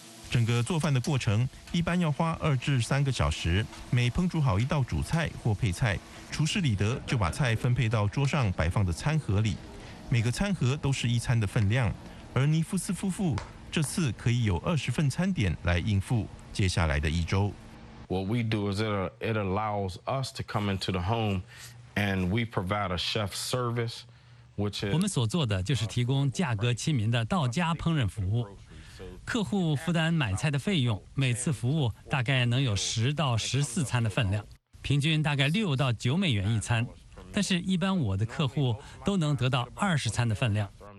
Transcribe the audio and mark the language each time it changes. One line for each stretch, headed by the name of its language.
Chinese: 整个做饭的过程一般要花2至3个小时，每烹煮好一道主菜或配菜，厨师李德就把菜分配到桌上摆放的餐盒里，每个餐盒都是一餐的分量，而尼夫斯夫妇这次可以有20份餐点来应付接下来的一周。
English: What we do is it allows us to come into the home and we provide a chef service, which is
Chinese: 我们所做的就是提供价格亲民的到家烹饪服务。客户负担买菜的费用，每次服务大概能有10到14餐的分量，平均大概6到9美元一餐。但是，一般我的客户都能得到20餐的分量。